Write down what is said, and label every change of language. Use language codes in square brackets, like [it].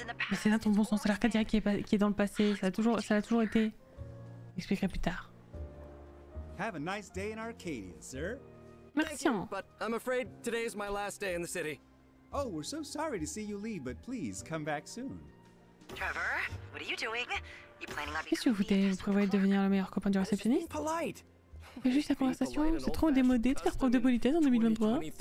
[fr] Mais c'est dans ton bon sens, c'est l'Arcadia qui est dans le passé. Ça a toujours été. J'expliquerai plus tard. [en] Have a nice day in Arcadia, sir. [fr] Merci. [en] But I'm afraid today is my last day in the city. Oh, we're so sorry to see you leave, but please come back soon. Trevor, what are you doing? You planning on becoming the best? [fr] Vous prévoyez de devenir le meilleur copain du réceptionniste? C'est juste la conversation, c'est trop démodé de faire preuve de politesse en 2023.